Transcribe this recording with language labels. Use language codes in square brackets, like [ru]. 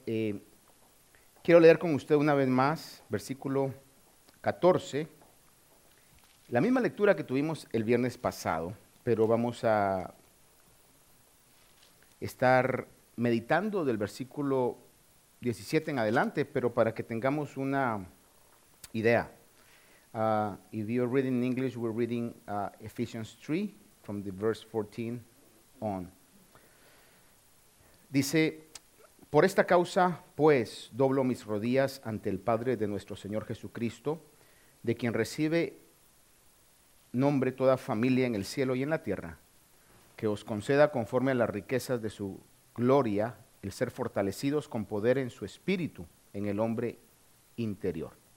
[es] Quiero leer con usted una vez más, versículo 14, la misma lectura que tuvimos el viernes pasado, pero vamos a estar meditando del versículo 17 en adelante, pero para que tengamos una idea. [en] If you're reading in English, we're reading Ephesians 3 from the verse 14 on. [es] Dice: Por esta causa, pues, doblo mis rodillas ante el Padre de nuestro Señor Jesucristo, de quien recibe nombre toda familia en el cielo y en la tierra, que os conceda conforme a las riquezas de su gloria, el ser fortalecidos con poder en su espíritu, en el hombre interior.